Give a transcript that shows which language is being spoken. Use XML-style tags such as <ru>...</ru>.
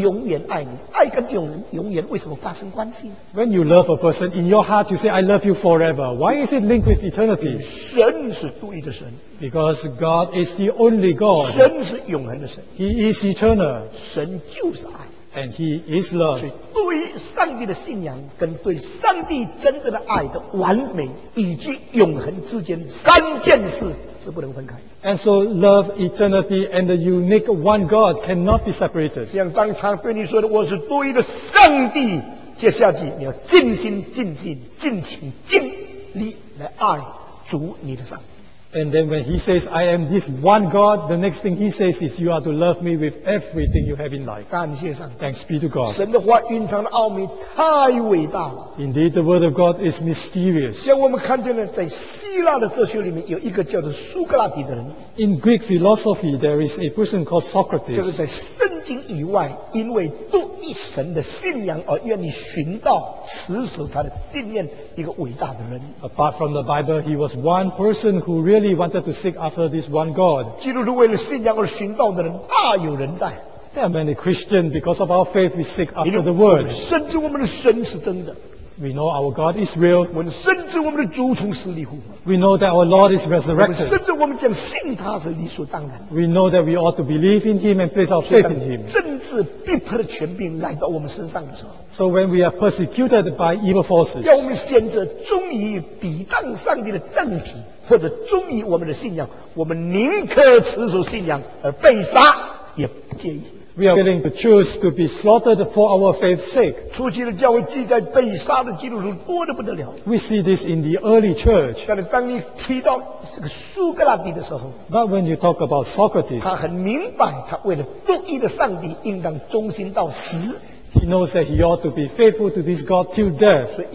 <zh>当你爱一个人的时候，你心灵深处会说：“我永远爱你。”爱跟永恒永远为什么发生关系？</zh> <en>When you love a person, in your heart you say, "I love you forever." Why is it linked with eternity?</en> <zh>神是独一的神。</zh> <en>Because God is the only God.</en> <zh>神是永恒的神。</zh> <en>He is eternal.</en> <zh>神就是爱。</zh> <en>And He is love.</en> <zh>所以对于上帝的信仰跟对上帝真正的爱的完美以及永恒之间三件事是不能分开。</zh> <en>And so love, eternity, and the unique one God cannot be separated.</en> <zh>像当他对你说的，我是独一的上帝。接下去你要尽心尽性尽情尽力来爱主你的上帝。</zh> <en>And then when he says, I am this one God, the next thing he says is, you are to love me with everything you have in life.</en> <zh>感谢上,</zh> <en>Thanks be to God.</en> <zh>神的话蕴藏的奥秘太伟大了。</zh> <en>Indeed, the word of God is mysterious.</en> <zh>像我们看见呢,</zh> <en>in Greek philosophy, there is a person called Socrates.</en> <zh>就是在圣经以外,因为独一神的信仰而愿意寻道,持守他的信念,一个伟大的人。</zh> <en>Apart from the Bible, he was one person who really wanted to seek after this one God.</en> <zh>基督徒为了信仰而寻道的人大有人在。</zh> <en>There are many Christians because of our faith we seek after the Word.</en> <zh>甚至我们的神是真的。</zh> <en>We know our God is real.</en> <zh>我们甚至我们的主从死里复活。</zh> <en>We know that our Lord is resurrected.</en> <zh>甚至我们将信他是理所当然。</zh> <en>We know that we ought to believe in Him and place our faith in Him.</en> <zh>甚至逼迫的权柄来到我们身上的时候。</zh> <en>So when we are persecuted by evil forces,</en> <zh>要我们先者忠于抵挡上帝的正体，或者忠于我们的信仰，我们宁可持守信仰而被杀，也不介意。</zh> <en>We are willing to choose to be slaughtered for our faith's sake.</en> <zh>初期的教会记载被杀的基督徒多得不得了。</zh> <en>We see this in the early church.</en> <zh>但是当你提到这个苏格拉底的时候，</zh> <en>But when you talk about Socrates,</en> <zh>他很明白，他为了独一的上帝，应当忠心到死。</zh> <en>He knows that he ought to be faithful to this God till death.</en>